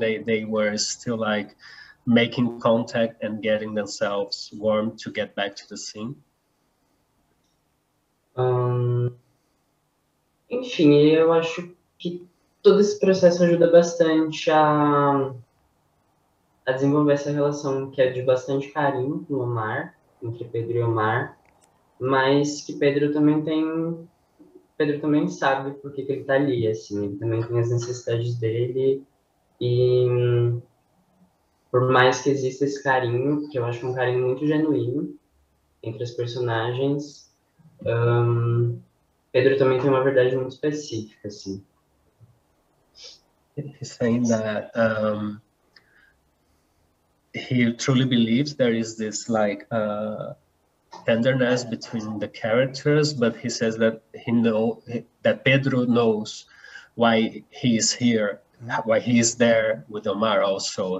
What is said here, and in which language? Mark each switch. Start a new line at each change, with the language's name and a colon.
English: They were still like making contact and getting themselves warm to get back to the scene.
Portuguese: Enfim, eu acho que todo esse processo ajuda bastante a desenvolver essa relação que é de bastante carinho com o Omar, entre Pedro e Omar, mas que Pedro também sabe por que ele tá ali, assim, ele também tem as necessidades dele, e por mais que exista esse carinho, que eu acho um carinho muito genuíno entre as personagens, Pedro também tem uma verdade muito específica, assim.
English: He's saying that he truly believes there is this like tenderness between the characters, but he says that Pedro knows why he is here, why he is there with Omar also.